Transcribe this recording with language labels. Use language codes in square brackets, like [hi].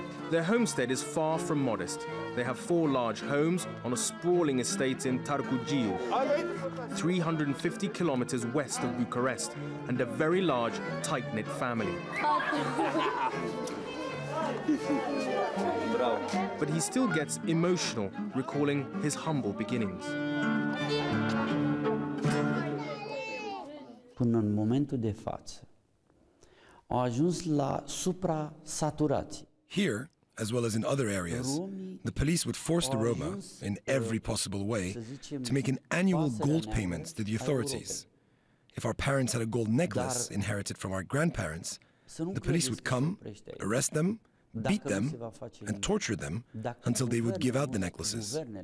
[en] Their homestead is far from modest. They have four large homes on a sprawling estate in Târgu Jiu, 350 kilometers west of Bucharest, and a very large, tight-knit family. But he still gets emotional, recalling his humble beginnings. [ro] Până în momentul de față, au ajuns la supra-saturații. [en] Here, as well as in other areas, the police would force the Roma, in every possible way, to make an annual gold payment to the authorities. If our parents had a gold necklace inherited from our grandparents, the police would come, arrest them, beat them, and torture them until they would give out the necklaces.